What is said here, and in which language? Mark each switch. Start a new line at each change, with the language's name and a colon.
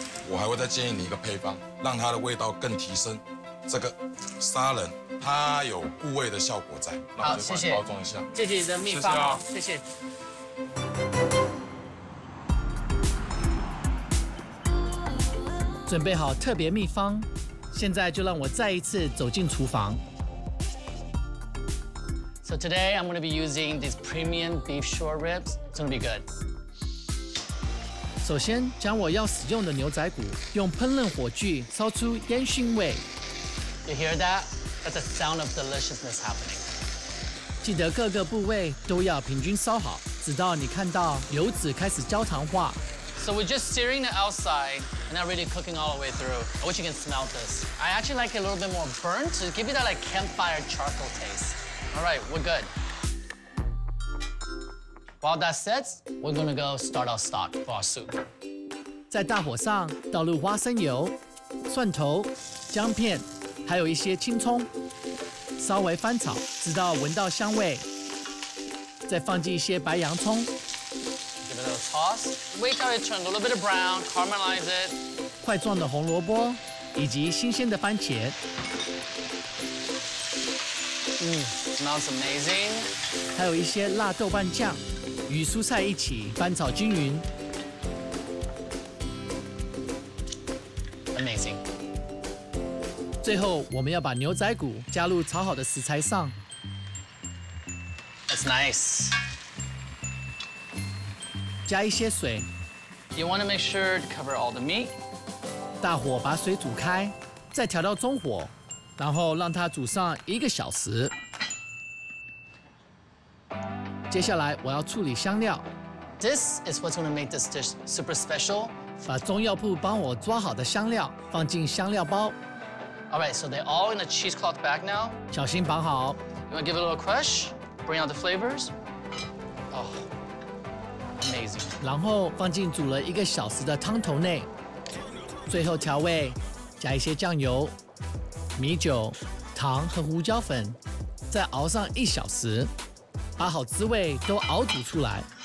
Chinese: 我还会再建议你一个配方，让它的味道更提升。这个沙仁它有固味的效果在。好，谢谢。包装一下，谢谢你的秘方。谢谢啊，谢谢。准备好特别秘方，现在就让我再一次走进厨房。
English: So today I'm going to be using these premium beef short ribs. It's going to be good.
Chinese: 首先将我要使用的牛仔骨用烹饪火炬烧出烟熏味。
English: You hear that? That's the sound of deliciousness happening.
Chinese: 记得各个部位都要平均烧好，直到你看到油脂开始焦糖化。
English: So we're just searing the outside and not really cooking all the way through. I wish you can smell this. I actually like it a little bit more burnt to give you that like campfire charcoal taste. All right, we're good. While that sets, we're gonna go start our stock for our soup.
Chinese: 在大火上倒入花生油、蒜头、姜片，还有一些青葱，稍微翻炒，直到闻到香味。再放进一些白洋葱。
English: Give it a toss. Wait till it turns a little bit of brown, caramelize it.
Chinese: 块状的红萝卜，以及新鲜的番茄。
English: Smells amazing.
Chinese: 还有一些辣豆瓣酱，与蔬菜一起翻炒均匀。
English: Amazing.
Chinese: 最后，我们要把牛仔骨加入炒好的食材上。
English: That's nice.
Chinese: 加一些水。
English: You want to make sure to cover all the meat.
Chinese: 大火把水煮开，再调到中火。然后让它煮上一个小时。接下来我要处理香料。
English: This is what's going to make this dish super special.
Chinese: 把中药铺帮我抓好的香料放进香料包。
English: All right, so they're all in a cheesecloth bag now.
Chinese: 小心绑好。
English: You want to give it a little crush, bring out the flavors. Oh, amazing.
Chinese: 然后放进煮了一个小时的汤头内，最后调味，加一些酱油。米酒、糖和胡椒粉，再熬上一小时，把好滋味都熬煮出来。